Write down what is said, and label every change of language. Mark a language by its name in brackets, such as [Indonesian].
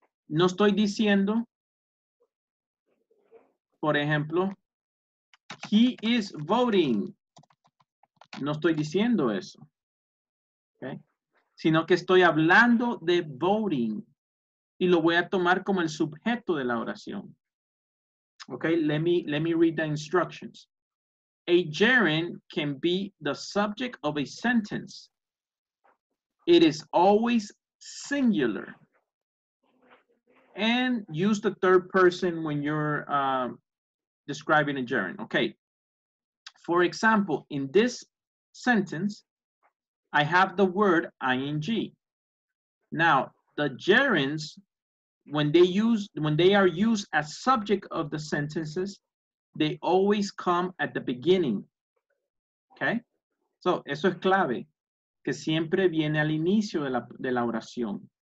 [Spanish] No estoy diciendo, por ejemplo, [English] he is voting. [Spanish] No estoy diciendo eso, okay, sino que estoy hablando de voting y lo voy a tomar como el sujeto de la oración. [English] Okay, let me read the instructions. A gerund can be the subject of a sentence. It is always singular. And use the third person when you're describing a gerund. Okay. For example, in this sentence, I have the word ing. Now, the gerunds, when they are used as subject of the sentences, they always come at the beginning. Okay? [Spanish] So, eso es clave, que siempre viene al inicio de la oración.